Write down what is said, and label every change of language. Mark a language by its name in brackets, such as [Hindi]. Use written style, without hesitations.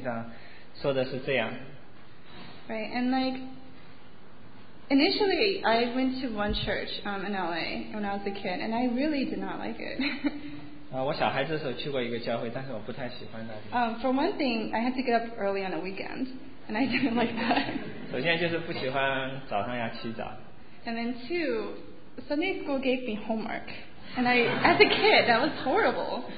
[Chinese] 搬到密苏里之后，我还没有马上成为基督徒，但是我爸爸不断向我传福音的，经常就是指着圣经让我看，你看这是圣经上说的是这样。 [English] Right, and like initially I went to one church in LA when I was a kid, and I really did not like it. [Chinese] 我小孩子的时候去过一个教会，但是我不太喜欢那里。 [English] For one thing, I had to get up early on the weekend, and I didn't like that. [Chinese] 首先就是不喜欢早上要起早。 [English] And then two, Sunday school gave me homework. And I, as a kid, that was horrible.